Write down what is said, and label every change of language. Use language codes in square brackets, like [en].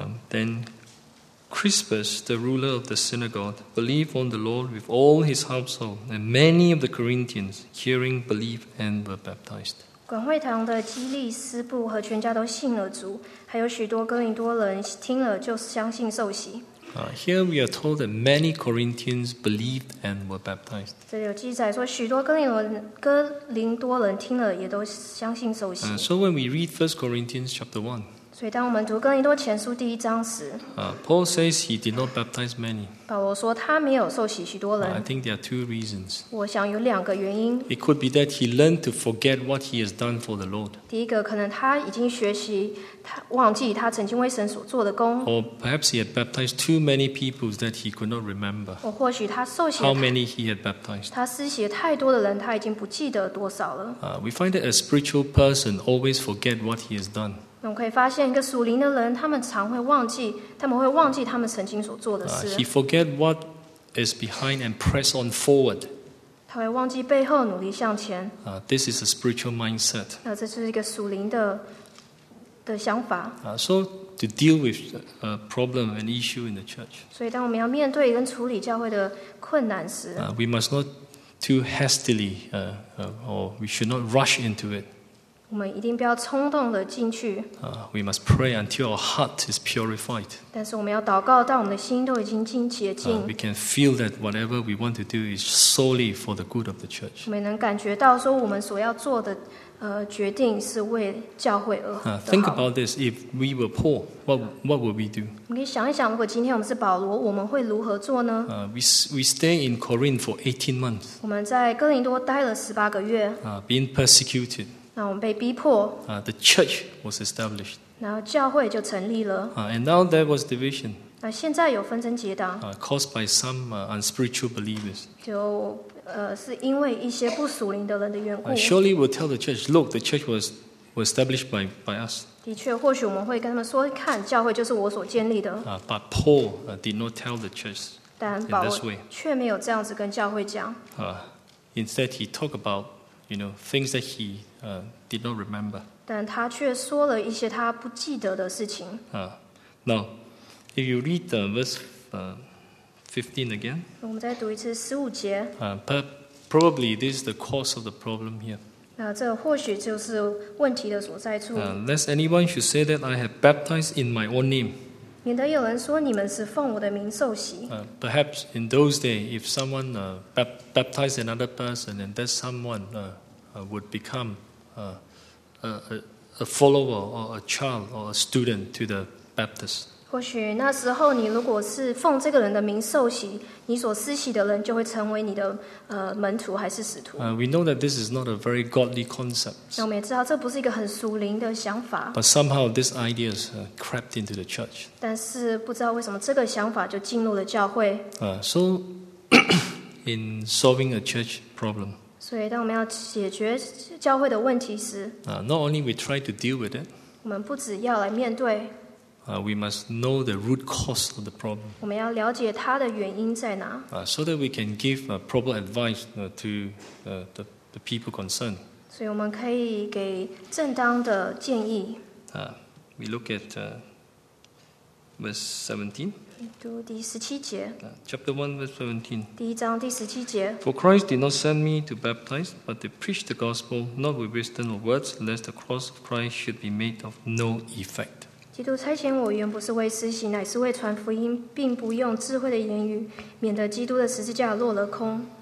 [en] Then Crispus, the ruler of the synagogue, believed on the Lord with all his household, and many of the Corinthians, hearing, believed and were baptized. [zh] 管会堂的基利斯布和全家都信了主，还有许多哥林多人听了就相信受洗。 [en] Here we are told that many Corinthians believed and were baptized. [zh] 这里有记载说许多哥林多人听了也都相信受洗。 [en] So when we read 1 Corinthians chapter 1, [zh] 所以当我们读哥林多前书第一章时 [en] Paul says he did not baptize many. [zh] 保罗说他没有受洗许多人。 [en] I think there are two reasons. [zh] 我想有两个原因。 [en] It could be that he learned to forget what he has done for the Lord. [zh] 第一个可能他已经学习他忘记他曾经为神所做的功。 [en] Or perhaps he had baptized too many people that he could not remember. [zh] 或许他受洗 [en] How many he had baptized. [zh] 他施洗太多的人他已经不记得多少了。 [en] We find that a spiritual person always forget what he has done. [zh] 那我们可以发现，一个属灵的人，他们常会忘记，他们会忘记他们曾经所做的事。 [en] He forget what is behind and press on forward. [zh] 他会忘记背后，努力向前。 [en] This is a spiritual mindset. [zh] 那这是一个属灵的想法。 [en] So to deal with a problem and issue in the church. [zh] 所以，当我们要面对跟处理教会的困难时 [en] ，we must not too hastily, or we should not rush into it. [zh] 我们一定不要冲动的进去。 [en] We must pray until our heart is purified. [zh] 但是我们要祷告到我们的心都已经清洁净。 [en] We can feel that whatever we want to do is solely for the good of the church. [zh] 我们能感觉到说我们所要做的决定是为教会而。 [en] Think about this: if we were Paul, what would we do? [zh] 我们可以想一想，如果今天我们是保罗，我们会如何做呢？ [en] We stay in Corinth for 18 months. [zh] 我们在哥林多待了十八个月。 [en] Being persecuted. [zh] 那我们被逼迫。 [en] The church was established. [zh] 然后教会就成立了。 [en] And now there was division. [zh] 现在有纷争结党。 [en] Caused by some unspiritual believers. [zh] 就是因为一些不属灵的人的缘故。 [en] Surely we'll tell the church, look, the church was established by us. [zh] 的确，或许我们会跟他们说，看，教会就是我所建立的。 [en] But Paul did not tell the church in this way. [zh] 但保罗却没有这样子跟教会讲。 [en] Instead, he talked about, you know, things that he did not remember. [zh] 但他却说了一些他不记得的事情。 [en] Now. If you read the verse 15 again, [zh] 我们再读一次十五节。 [en] Probably this is the cause of the problem here. [zh] 这或许就是问题的所在处。 [en] Lest anyone should say that I have baptized in my own name. [zh] 免得有人说你们是奉我的名受洗。 [en] Perhaps in those days, if someone baptized another person, and that someone would become a follower or a child or a student to the Baptist. [zh] 或许那时候，你如果是奉这个人的名受洗，你所施洗的人就会成为你的门徒还是使徒。 [en] We know that this is not a very godly concept. [zh] 那我们也知道这不是一个很属灵的想法。 [en] But somehow this idea has crept into the church. [zh] 但是不知道为什么这个想法就进入了教会。 [en] So in solving a church problem. [zh] 所以当我们要解决教会的问题时 [en] ，Not only we try to deal with it. [zh] 我们不只要来面对。 [en] We must know the root cause of the problem. [zh] 我们要了解它的原因在哪。 [en] So that we can give proper advice to the people concerned. [zh] 所以我们可以给正当的建议。 [en] We look at verse 17. [zh] 读第十七节。 [en] Chapter 1, verse 17. [zh] 第一章第十七节。 [en] For Christ did not send me to baptize, but to preach the gospel, not with wisdom or words, lest the cross of Christ should be made of no effect. [zh] 基督差遣我，原不是为施洗，乃是为传福音，并不用智慧的言语，免得基督的十字架落了空。